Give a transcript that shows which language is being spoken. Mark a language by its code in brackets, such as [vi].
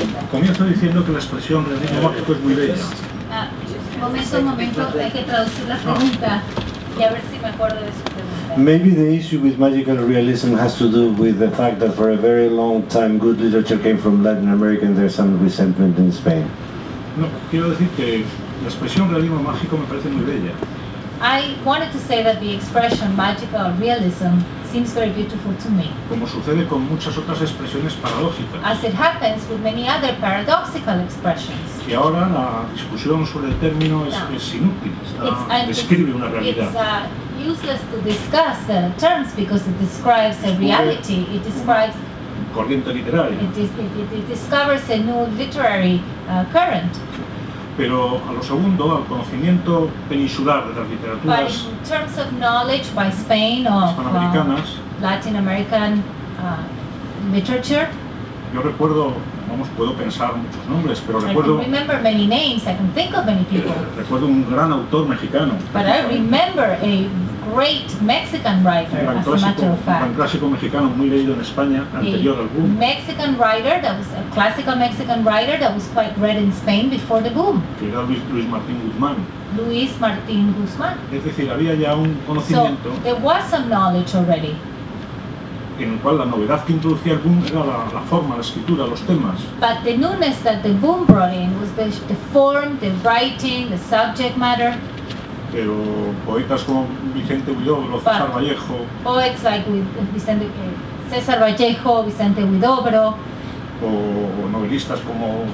[es] Comienzo diciendo que la expresión realismo mágico es muy bella. Momento, hay que traducir la pregunta y a ver si me acuerdo de su pregunta. [en] Maybe the issue with magical realism has to do with the fact that for a very long time good literature came from Latin America and there's some resentment in Spain. [es] No, quiero decir que la expresión realismo mágico me parece muy bella. [en] I wanted to say that the expression magical realism seems very beautiful to me. [es] Como sucede con muchas otras expresiones paradójicas. [en] As it happens with many other paradoxical expressions. [es] Y ahora la discusión sobre el término es inútil. Describe una realidad. [en] It's useless to discuss the terms because it describes a reality. It describes [es] corriente literaria. [en] It discovers a new literary current. [es] Pero a lo segundo, al conocimiento peninsular de las literaturas [en] in terms of knowledge by Spain or [es] hispanoamericanas, [en] Latin American literature, [es] yo recuerdo, vamos, puedo pensar muchos nombres, pero recuerdo, [en] I can remember many names, I can think of many people. [es] Recuerdo un gran autor mexicano. [en] But I remember a great Mexican writer, [es] un gran clásico, mexicano muy leído en España, anterior al boom. [en] Mexican writer, that was a classical Mexican writer that was quite read in Spain before the boom. [es] Que era Luis Martín Guzmán. Luis Martín Guzmán. Es decir, había ya un conocimiento. [en] So, there was some knowledge already. [es] En el cual la novedad que introducía el boom era la forma, la escritura, los temas. [en] But the newness that the boom brought in was the form, the writing, the subject matter. [es] Pero poetas como Vicente Huidobro, César Vallejo. [en] Poets like Vicente, César Vallejo, Vicente Huidobro. [es] O novelistas como